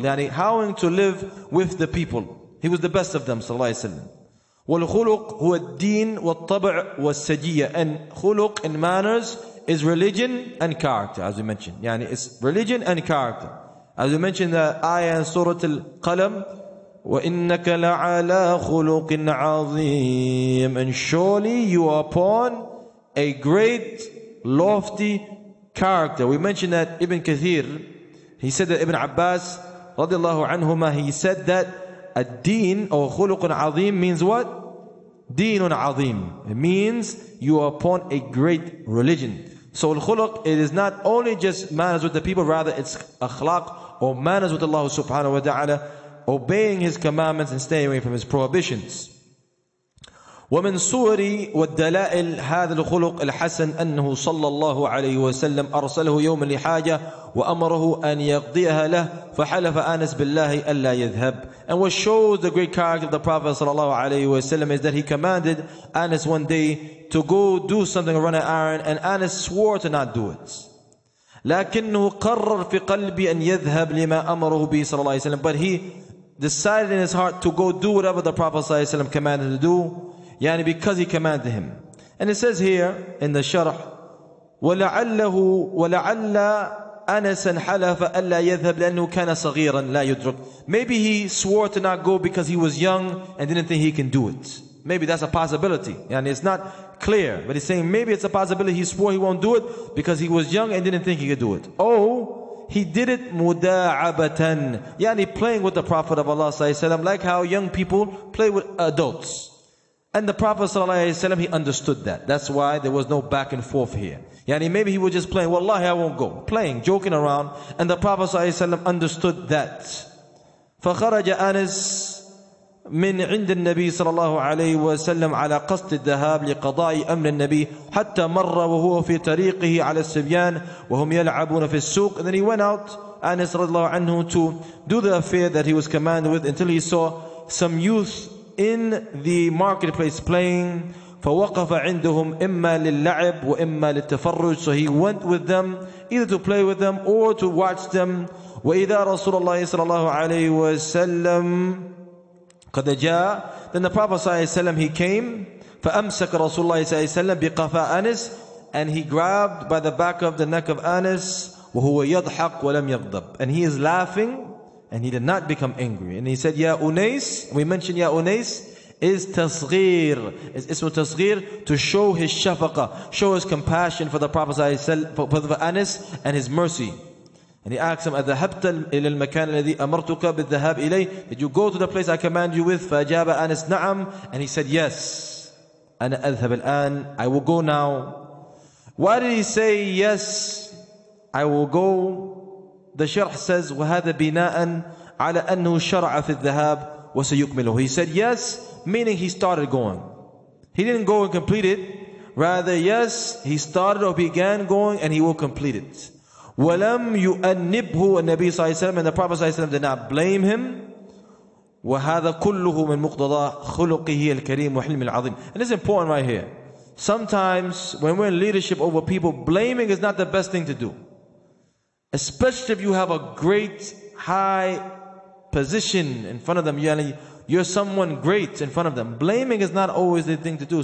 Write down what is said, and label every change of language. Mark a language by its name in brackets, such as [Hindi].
[English] يعني how to live with the people. He was the best of them, صلى الله عليه وسلم. [Arabic] والخلق هو الدين والطبع والسجية. [English] And خلق and manners is religion and character, as we mentioned. Yani it's religion and character. As we mentioned, the ayah in Surah Al-Qalam, [Arabic] وَإِنَّكَ لَعَلَىٰ خُلُقٍ عَظِيمٍ. [English] And surely you are upon a great, lofty character. We mentioned that Ibn Kathir, he said that Ibn Abbas, رضي الله عنهما, he said that [Arabic] الدين أو خلق عظيم [English] means what? [Arabic] دين عظيم. [English] It means you are upon a great religion. So الخلق, it is not only just manners with the people, rather it's أخلاق or manners with Allah subhanahu wa ta'ala, obeying His commandments and staying away from His prohibitions. [Arabic] ومن صور والدلائل هذا الخلق الحسن أنه صلى الله عليه وسلم أرسله يوم لحاجة وأمره أن يقضيها له فحلف أنس بالله ألا يذهب. [English] And what shows the great character of the Prophet صلى الله عليه وسلم is that he commanded Anas one day to go do something, run an errand, and Anas swore to not do it. [Arabic] لكنه قرر في قلبي أن يذهب لما أمره به صلى الله عليه وسلم. [English] But he decided in his heart to go do whatever the Prophet صلى الله عليه وسلم commanded to do. يعني because he commanded him. And it says here in the sharh, [Arabic] وَلَعَلَّهُ وَلَعَلَّ أَنَسًا حَلَفَ أَلَّا يَذْهَبْ لَأَنُّهُ كَانَ صَغِيرًا لَا يُدْرُكْ. [English] Maybe he swore to not go because he was young and didn't think he can do it. Maybe that's a possibility. يعني it's not clear. But he's saying maybe it's a possibility he swore he won't do it because he was young and didn't think he could do it. Oh, he did it مُدَاعَبَةً. يعني playing with the Prophet of Allah صلى الله عليه وسلم, like how young people play with adults. And the Prophet sallallahu alaihi wasallam, he understood that. That's why there was no back and forth here. Yani maybe he was just playing. Wallahi, I won't go. Playing, joking around. And the Prophet sallallahu alaihi wasallam understood that. فخرج أنس من عند النبي صلى الله عليه وسلم على قصد الذهاب لقضاء أمر النبي حتى مر وهو في طريقه على السبيان وهم يلعبون في السوق. And then he went out, Anas رضي الله عنه, to do the affair that he was commanded with, until he saw some youth in the marketplace playing. [Arabic] فَوَقَفَ عِنْدُهُمْ إِمَّا لِلَّعِبُ وَإِمَّا لِلتَّفَرُّجُ. [English] So he went with them, either to play with them or to watch them. [Arabic] وَإِذَا رَسُولَ اللَّهِ صَلَى اللَّهُ عَلَيْهِ وَسَلَّمُ قَدَ جَاءَ. [English] Then the Prophet صلى الله عليه وسلم, he came. [Arabic] فَأَمْسَكَ رَسُولَ اللَّهِ صلى الله عليه وسلم بِقَفَى أَنِسْ. [English] And he grabbed by the back of the neck of Anis. [Arabic] وَهُوَ يَضْحَقْ وَلَمْ يَغْضَبْ. [English] And he is laughing, and he did not become angry. And he said, Ya Unais, we mentioned Ya Unais is tasghir. It's ismu tasghir, to show his shafaqa, show his compassion for the Prophet Anas and his mercy. And he asked him, [Arabic] أَذَهَبْتَ إِلَى الْمَكَانَ الَّذِي أَمَرْتُكَ بِالذَّهَابِ إِلَيْهِ. [English] Did you go to the place I command you with? [Arabic] فَأَجَابَ أَنَسْ نَعَمْ. [English] And he said, yes. [Arabic] أَنَا أَذْهَبَ الْآنِ. [English] I will go now. Why did he say, yes, I will go? The sharh says, [Arabic] وَهَذَا بِنَاءً عَلَىٰ أَنُّهُ شَرْعَ فِي الذَّهَابِ وَسَيُكْمِلُهُ. [English] He said, yes, meaning he started going. He didn't go and complete it, Rather, yes, he started or began going and he will complete it. [Arabic] وَلَمْ يُؤَنِّبْهُ النَّبِي صلى الله عليه وسلم, [English] and the Prophet صلى الله عليه وسلم did not blame him. [Arabic] وَهَذَا كُلُّهُ مِنْ مُقْتَضَى خُلُقِهِ الْكَرِيمُ وَحِلْمِ الْعَظِيمُ. [English] And this is important right here. Sometimes when we're in leadership over people, blaming is not the best thing to do. Especially if you have a great high position in front of them. You're someone great in front of them. Blaming is not always the thing to do.